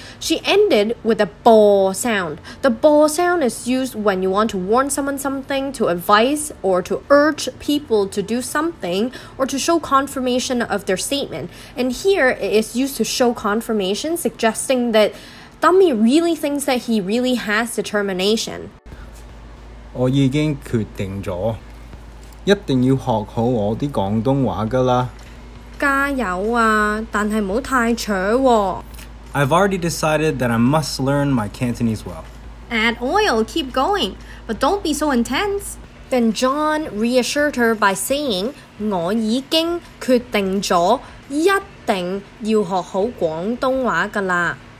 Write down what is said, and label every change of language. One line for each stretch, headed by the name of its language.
English: She ended with a 噃 sound. The 噃 sound is used when you want to warn someone something, to advise or to urge people to do something, or to show confirmation of their statement. And here it is used to show confirmation, suggesting that Dummy really thinks that he really has determination.
Cantonese: 我已經決定了，一定要學好我的廣東話的啦。加油啊，但是不要太扯喎。
English: I've already decided that I must learn my Cantonese well. Add oil, keep going, but don't be so intense. Then John reassured her by saying,
Cantonese: 我已經決定了，一定要學好廣東話的啦。